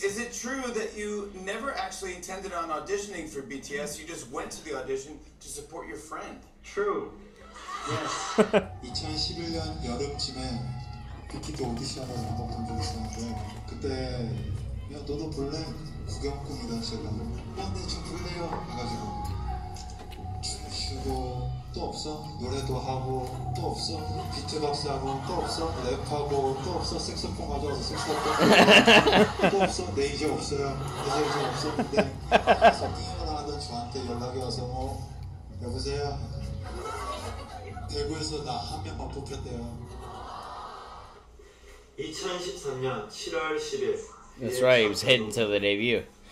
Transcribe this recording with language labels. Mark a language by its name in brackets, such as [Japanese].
[English] V, is it true that you never actually intended on auditioning for BTS? You just went to the audition to support your friend. True. Yes. [Korean] 2011년 여름쯤에 빅키도 오디션을 한번 본 적이 있었는데 그때 야 너도 볼래? 구경꾼이던 제가 야 네 좀 볼래요? 해가지고 춤을 추고 또 없어? 노래도 하고 또 없어? 비트박스 하고 또 없어? 랩하고 또 없어? 색소폰 가져와서 색소폰 또 없어? 네 이제 없어요 이제 없어? 네 그래서 게임을 하던 저한테 연락이 와서 여보세요? 대구에서 나 한 명만 뽑혔대요 2013년 7월 10일 [English] That's right, he was heading to the debut.